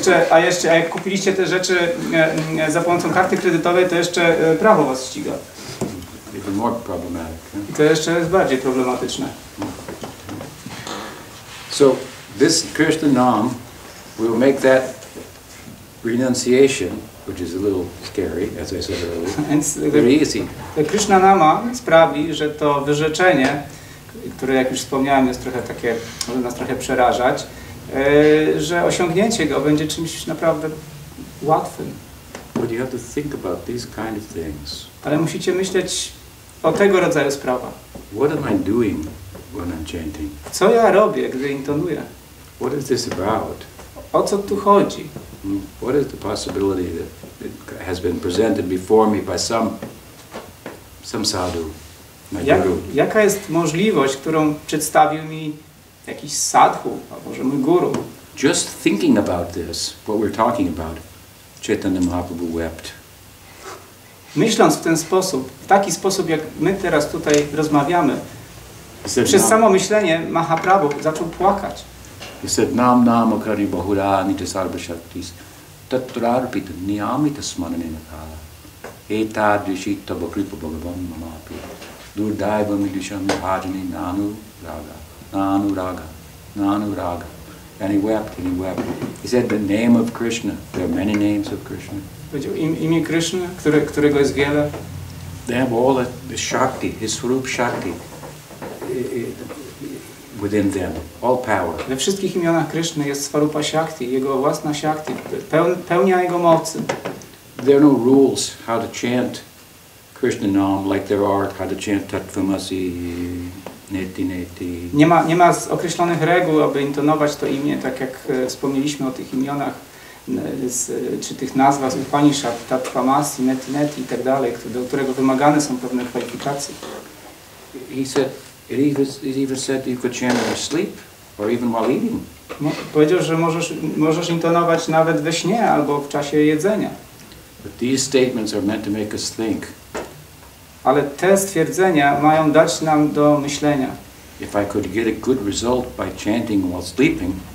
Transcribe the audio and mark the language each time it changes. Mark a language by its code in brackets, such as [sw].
[pl] A jak kupiliście te rzeczy za pomocą karty kredytowej, to jeszcze prawo was ściga. [en] Even more problematic. Huh? [pl] I to jeszcze jest bardziej problematyczne. [en] So this Krishna nam, we'll make that renunciation, which is a little scary, as I said earlier. Very easy. [pl] Krishna nama sprawi, że to wyrzeczenie, które jak już wspomniałem, jest trochę takie, może nas trochę przerażać. Że osiągnięcie go będzie czymś naprawdę łatwym. [en] But you have to think about these kind of things. [pl] Ale musicie myśleć o tego rodzaju sprawach. [en] What am I doing when I'm chanting? [pl] Co ja robię, gdy intonuję? [en] What is this about? [pl] O co tu chodzi? [en] What is the possibility that has been presented before me by some sadhu, my guru? [pl] Jaka jest możliwość, którą przedstawił mi jakiś sadhu, a może mój guru? [en] Just thinking about this, what we're talking about, Chaitanya Mahaprabhu wept. [pl] Myśląc w ten sposób, w taki sposób, jak my teraz tutaj rozmawiamy, przez samo myślenie Mahaprabhu zaczął płakać. [en] He said, [sa] nam nam akari bahura nita sarva shaktis tatrarpita niyamita smananena kala eta dushita bhakripa bhagavan mamapi durdaiva midisham bhajani nanu raga nanu raga nanu raga. [en] And he wept. He said, the name of Krishna, there are many names of Krishna. [pl] Imię Krishna, którego jest wiele. [en] They have all the shakti, his swarup shakti. Within them, all power. [pl] We wszystkich imionach Krishna jest swarupa shakti, jego własna shakti, pełnia jego mocy. [en] There are no rules how to chant Krishna nam, like there are how to chant Tatvamasi, neti neti. [pl] Nie ma określonych reguł, aby intonować to imię, tak jak wspomnieliśmy o tych imionach, czy tych nazwach z Upanishad, Tatvamasi, neti neti i tak dalej, do którego wymagane są pewne kwalifikacje. [en] He said, It even said you could chant in your sleep, or even while eating. [pl] Powiedział, że możesz intonować nawet we śnie, albo w czasie jedzenia. [en] But these statements are meant to make us think. [pl] Ale te stwierdzenia mają dać nam do myślenia. [en] If I could get a good result by chanting while sleeping.